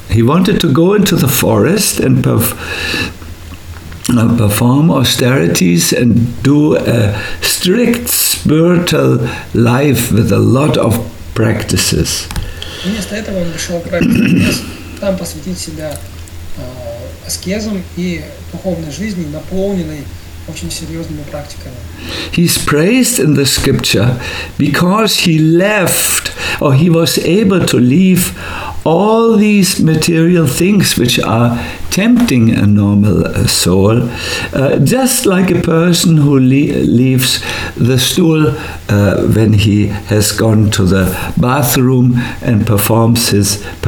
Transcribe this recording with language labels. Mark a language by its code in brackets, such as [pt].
[en] He wanted to go into the forest and perform austerities and do a strict spiritual life with a lot of practices. [ru] Вместо этого он решил отправиться там посвятить себя аскезам и духовной жизни, наполненной очень серьезными практиками. [en] He's praised in the scripture because he left, or he was able to leave, all these material things which are tempting a normal soul, just like a person who leaves the stool when he has gone to the bathroom and performed his